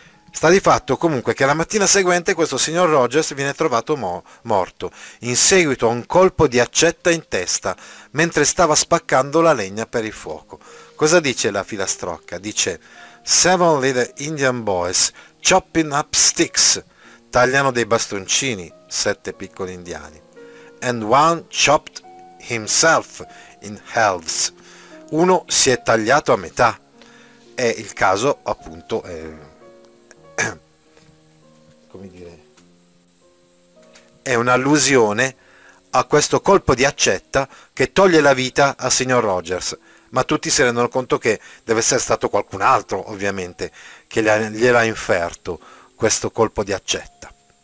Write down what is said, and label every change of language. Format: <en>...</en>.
<it>Sta di fatto comunque che la mattina seguente questo signor Rogers viene trovato mo morto in seguito a un colpo di accetta in testa mentre stava spaccando la legna per il fuoco. Cosa dice la filastrocca? Dice</it> <en>7 little Indian boys chopping up sticks.</en> <it>tagliano dei bastoncini, sette piccoli indiani.</it> <en>And one chopped himself in halves.</en> <it>Uno si è tagliato a metà. È il caso, appunto, come dire, è un'allusione a questo colpo di accetta che toglie la vita a signor Rogers. Ma tutti si rendono conto che deve essere stato qualcun altro, ovviamente, che gliel'ha inferto questo colpo di accetta.</it>